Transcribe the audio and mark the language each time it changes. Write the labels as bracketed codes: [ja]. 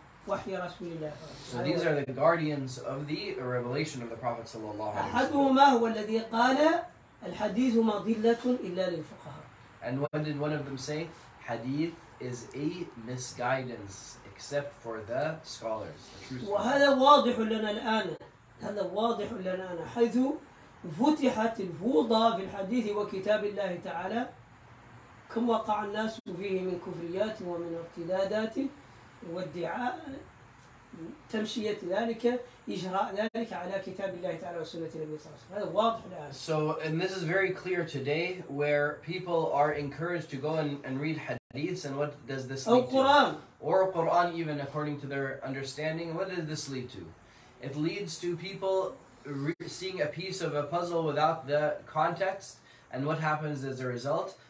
[en] So these are the guardians of the revelation of the Prophet sallallahu alaihi wasallam. And what did one of them say? Hadith is a misguidance except for the scholars. [ar] وهذا واضح لنا الآن. هذا واضح لنا الآن حيث فتحت الفوضى في الحديث وكتاب الله تعالى كم وقع الناس فيه من كفريات ومن ارتدادات وادعاء تمشية ذلك إجراء ذلك على كتاب الله تعالى وسنة النبي صلى الله عليه وسلم. هذا واضح الآن. [en] So, and this is very clear today where people are encouraged to go and read hadiths and what does this lead to? [ar] أو القرآن. [en] Or Quran even according to their understanding. What does this lead to? It leads to people seeing a piece of a puzzle without the context, and what happens as a result?